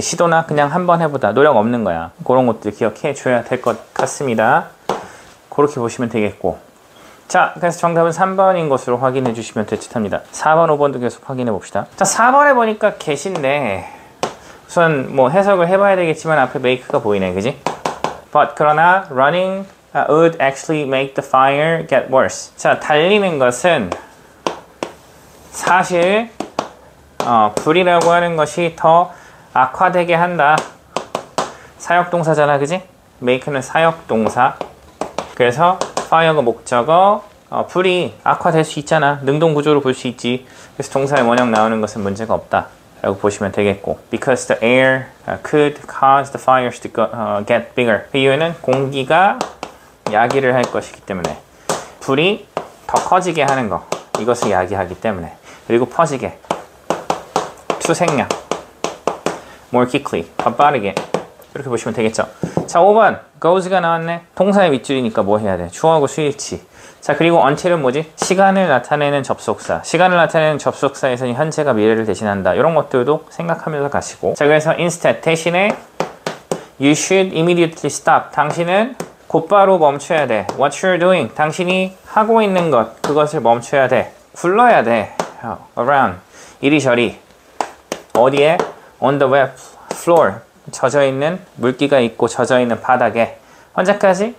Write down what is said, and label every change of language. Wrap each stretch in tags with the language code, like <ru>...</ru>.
<ko>시도나 그냥 한번 해보다. 노력 없는 거야. 그런 것들 기억해 줘야 될 것 같습니다. 그렇게 보시면 되겠고. 자, 그래서 정답은 3번인 것으로 확인해 주시면 될 듯합니다. 4번, 5번도 계속 확인해 봅시다. 자, 4번에 보니까 계신데 우선 뭐 해석을 해봐야 되겠지만 앞에 make가 보이네. 그치?</ko> <en>But, 그러나 running would actually make the fire get worse.</en> <ko>자, 달리는 것은 사실 불이라고 하는 것이 더 악화되게 한다. 사역동사잖아, 그지? make는 사역동사. 그래서 fire가 목적어, 불이 악화될 수 있잖아. 능동구조로 볼 수 있지. 그래서 동사의 원형 나오는 것은 문제가 없다 라고 보시면 되겠고.</ko> <en>because the air could cause the fires to get bigger.</en> <ko>그 이유는 공기가 야기를 할 것이기 때문에. 불이 더 커지게 하는 거. 이것을 야기하기 때문에. 그리고 퍼지게. 투생량.</ko> <en>More quickly.</en> <ko>더 빠르게. 이렇게 보시면 되겠죠. 자, 5번. goes가 나왔네. 동사의 밑줄이니까 뭐 해야 돼? 주어하고 수일치. 자, 그리고 until은 뭐지? 시간을 나타내는 접속사. 시간을 나타내는 접속사에서는 현재가 미래를 대신한다. 이런 것들도 생각하면서 가시고. 자, 그래서</ko> <en>instead, 대신에 you should immediately stop.</en> <ko>당신은 곧바로 멈춰야 돼.</ko> <en>what you're doing.</en> <ko>당신이 하고 있는 것. 그것을 멈춰야 돼. 굴러야 돼. around. 이리저리. 어디에?</ko> <en>On the wet floor,</en> <ko>젖어있는 물기가 있고 젖어있는 바닥에 언제까지?</ko>